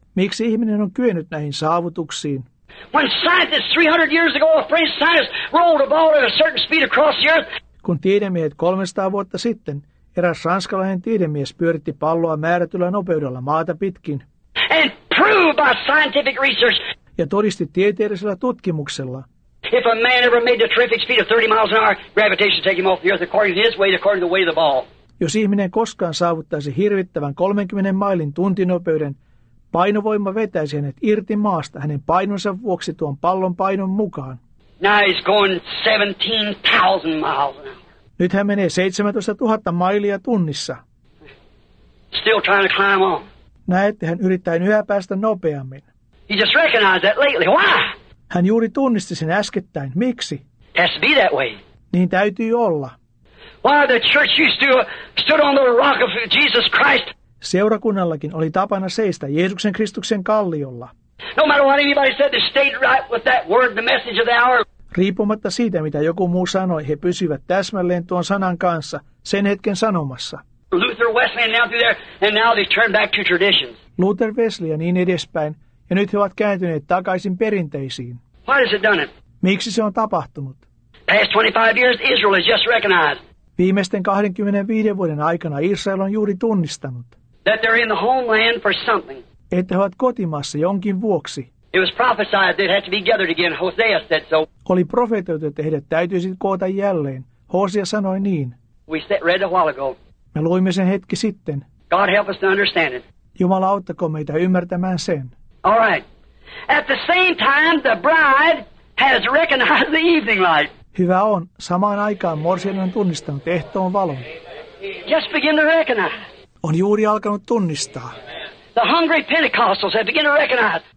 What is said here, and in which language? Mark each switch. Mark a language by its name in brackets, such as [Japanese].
[Finnish] Miksi ihminen on kyennyt näihin saavutuksiin? [English] When scientists 300 years ago, a French scientist rolled a ball at a certain speed across the earth. [Finnish] Kun tiedemiehet 300 vuotta sitten, eräs ranskalainen tiedemies pyöritti palloa määrätyllä nopeudella maata pitkin. [English] And prove by scientific research. [Finnish] Ja todisti tieteellisellä tutkimuksella. [English] If a man ever made the terrific speed of 30 miles an hour, gravitation take him off the earth according to his weight, according to the weight of the ball. [Finnish] Jos ihminen koskaan saavuttaisi hirvittävän 30 mailin tuntinopeuden, painovoima vetäisi hänet irti maasta hänen painonsa vuoksi tuon pallon painon mukaan. [English] Now he's going 17,000 miles an hour. [Finnish] Nyt hän menee 17 000 mailia tunnissa. [English] Still trying to climb on. [Finnish] Näette, hän yrittää yhä päästä nopeammin. [English] He just recognized that lately. Why? [Finnish] Hän juuri tunnisti sen äskettäin. Miksi? [English] Has to be that way. [Finnish] Niin täytyy olla. [English] Why the church used to stood on the rock of Jesus Christ. [Finnish] Seurakunnallakin oli tapana seistä Jeesuksen Kristuksen kalliolla. [English] No matter what anybody said, they stayed right with that word, the message of the hour. [Finnish] Riippumatta siitä, mitä joku muu sanoi, he pysyivät täsmälleen tuon sanan kanssa, sen hetken sanomassa. [English] Luther, Wesley, and now through there, and now they turn back to traditions. [Finnish] Luther, Wesley ja niin edespäin, ja nyt he ovat kääntyneet takaisin perinteisiin. [English] Why has it done it? [Finnish] Miksi se on tapahtunut? [English] Past 25 years, Israel has just recognized. [Finnish] Viimeisten 25 vuoden aikana Israel on juuri tunnistanut, [English] that they're in the homeland for something. [Finnish] Että he ovat kotimaassa jonkin vuoksi. [English] It was prophesied that it had to be gathered again. Hosea said so. [Finnish] Oli profetoitu, että heidät täytyisi koota jälleen. Hosea sanoi niin. [English] Read a while ago. [Finnish] Me luimme sen hetki sitten. [English] God help us to understand it. [Finnish] Jumala auttako meitä ymmärtämään sen. [English] All right. At the same time, the bride has recognized the evening light. [Finnish] Hyvä on. Samaan aikaan morsian on tunnistanut ehtoon valon. [English] Just begin to recognize. [Finnish] On juuri alkanut tunnistaa. [English] The hungry Pentecostals have begun to recognize.